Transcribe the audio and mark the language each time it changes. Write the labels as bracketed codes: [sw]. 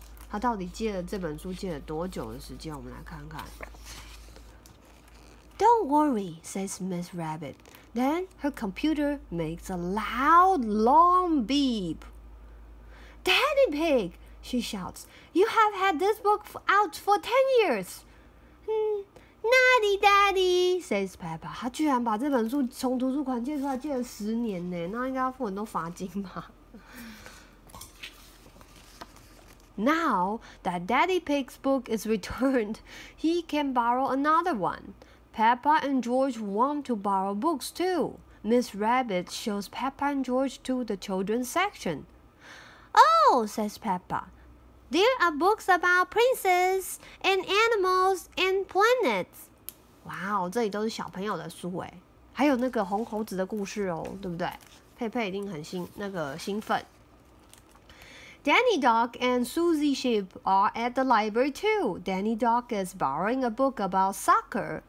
[zh] 他到底借了这本书借了多久的时间？我们来看看。 [en] Don't worry, says Miss Rabbit. Then her computer makes a loud, long beep. Daddy Pig, she shouts, you have had this book out for 10 years. Naughty Daddy, says Peppa. [zh] 她居然把这本书从图书馆借出来借了十年呢，那应该要付很多罚金吧。 [en] Now that Daddy Pig's book is returned, he can borrow another one. Peppa and George want to borrow books too. Miss Rabbit shows Peppa and George to the children's section. Oh, says Peppa, there are books about princes and animals and planets. [zh] Wow, 这里都是小朋友的书耶，还有那个红猴子的故事哦，对不对？佩佩一定很兴奋。 [en] Danny Dog and Susie Sheep are at the library too. Danny Dog is borrowing a book about soccer.